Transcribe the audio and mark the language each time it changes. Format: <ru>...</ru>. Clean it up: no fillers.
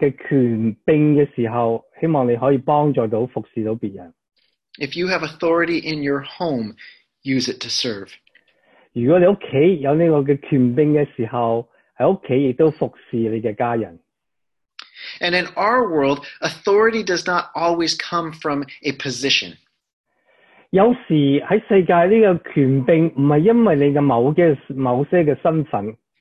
<zh>在你做工方面,做工的地方,你有这个权柄的时候, 希望你可以帮助到服侍到别人。</zh> <en>If you have authority in your home, use it to serve.</en> <zh>如果你家有这个权柄的时候, 在家也服侍你的家人。</zh> <en>And in our world, authority does not always come from a position.</en> <zh>有时在世界这个权柄不是因为你的某些身份。</zh>